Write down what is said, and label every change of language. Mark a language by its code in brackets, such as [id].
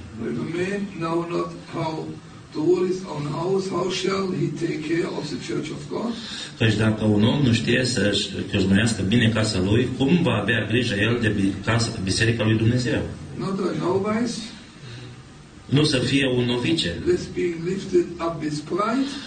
[en] If a man know not how the world is on house, how shall he take care of the church of God? [ro] Căci dacă un om nu știe să-și căznuiască bine casa lui, cum va avea grijă el de casa, biserica lui Dumnezeu? [en] Not a novice. [ro] Nu să fie un novice. [en] This being lifted up with pride.